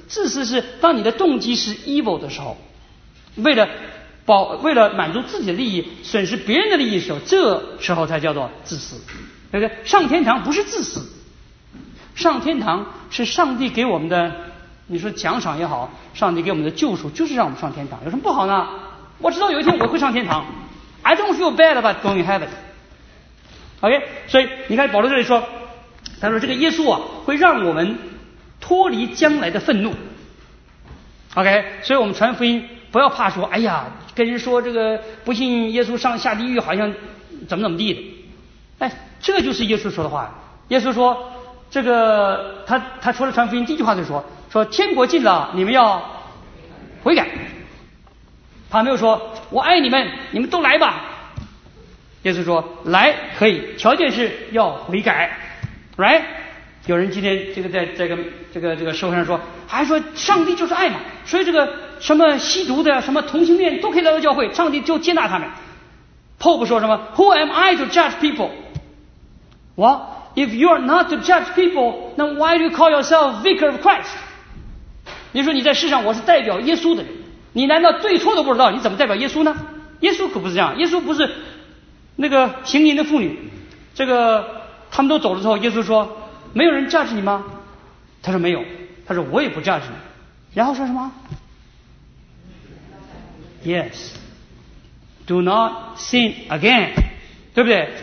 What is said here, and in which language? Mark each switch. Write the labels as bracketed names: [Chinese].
[Chinese] 自私是当你的动机是 evil 的时候，为了满足自己的利益，损失别人的利益的时候，这时候才叫做自私。对不对？上天堂不是自私，上天堂是上帝给我们的，你说奖赏也好，上帝给我们的救赎就是让我们上天堂，有什么不好呢？我知道有一天我会上天堂。 [English] I don't feel bad about going to heaven。 [Chinese] OK， 所以你看保罗这里说，他说这个耶稣啊会让我们脱离将来的愤怒。 OK， 所以我们传福音不要怕说，哎呀，跟人说这个不信耶稣上下地狱好像怎么怎么地的，哎，这就是耶稣说的话。耶稣说，这个他除了传福音，第一句话就说天国近了，你们要悔改。他没有说我爱你们，你们都来吧。耶稣说来可以，条件是要悔改 ，right？有人今天这个在这个社会上说，还说上帝就是爱嘛，所以这个。什么吸毒的，什么同性恋都可以来到教会，上帝就接纳他们。 [English] Pope [Chinese] 说什么 [English] Who am I to judge people? Well, if you are not to judge people, then why do you call yourself vicar of Christ? [Chinese] 你说你在世上我是代表耶稣的人，你难道对错都不知道，你怎么代表耶稣呢？耶稣可不是这样，耶稣不是那个行淫的妇女，这个他们都走了之后，耶稣说没有人 judge 你吗？他说没有。他说我也不 judge 你。然后说什么 ？ [English] Yes, do not sin again， [Chinese] 对不对？